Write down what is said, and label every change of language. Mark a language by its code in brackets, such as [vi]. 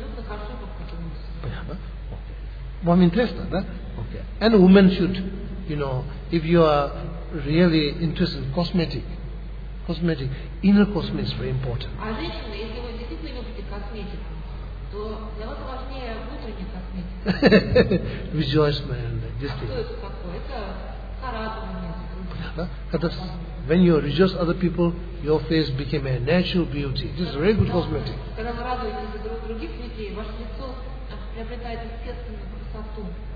[ru] все эти вещи возникают из Okay. [en] And a woman should, you know, if you are really interested in cosmetic, inner cosmetic is very important. [ru] А женщина, если вы действительно любите косметику, то для вас важнее внутренняя косметика. [en] Rejoicement. This thing. [ru] Это [en] when you rejoice other people, your face became a natural beauty. This is very good cosmetic. [ru] Когда вы радуетесь других людей, ваше лицо приобретает естественную красоту.